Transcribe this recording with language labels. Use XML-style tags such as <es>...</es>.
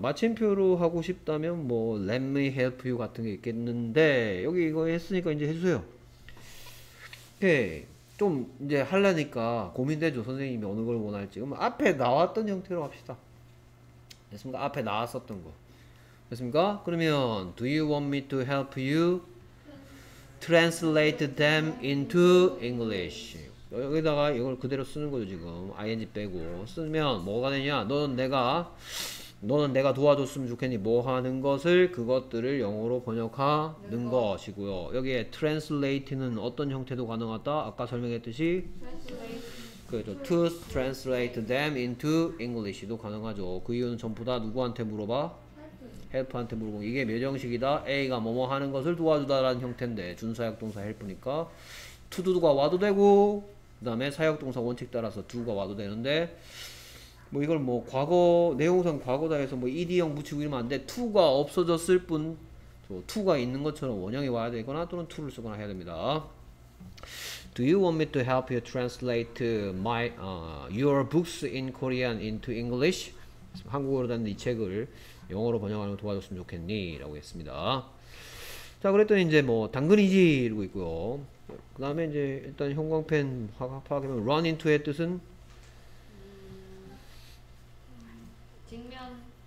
<ko>마침표로 하고 싶다면 뭐</ko> <en>Let me help you</en> <ko>같은 게 있겠는데 여기 이거 했으니까 이제 해주세요. 오케이. 좀 이제 하려니까 고민되죠. 선생님이 어느 걸 원할지. 그럼 앞에 나왔던 형태로 합시다. 됐습니까? 앞에 나왔었던 거. 됐습니까? 그러면</ko> <en>Do you want me to help you translate them into English?</en> <ko>여기다가 이걸 그대로 쓰는 거죠. 지금 ing 빼고 쓰면 뭐가 되냐. 너는 내가 도와줬으면 좋겠니. 뭐 하는 것을, 그것들을 영어로 번역하는 것이고요. 여기에 translate는 어떤 형태도 가능하다. 아까 설명했듯이 그렇죠.</ko> <en>to translate them into English도</en> <ko>가능하죠. 그 이유는 전부 다 누구한테 물어봐? help한테 물어보고. 이게 명령식이다. a가 뭐뭐 하는 것을 도와주다 라는 형태인데 준사역 동사 help니까 to do가 와도 되고, 그 다음에 사역동사 원칙 따라서 do가 와도 되는데, 뭐 이걸 뭐 과거 내용상 과거다 해서 뭐 ed형 붙이고 이러면 안 돼. to가 없어졌을 뿐 to가 있는 것처럼 원형이 와야 되거나 또는 to를 쓰거나 해야 됩니다.</ko> <en>Do you want me to help you translate your books in Korean into English?</en> <ko>한국어로 된 이 책을 영어로 번역하는 거 도와줬으면 좋겠니? 라고 했습니다. 자, 그랬더니 이제 뭐 당근이지 이러고 있고요. 그 다음에 이제 일단 형광펜 파악하면 run into의 뜻은? 직면.</ko>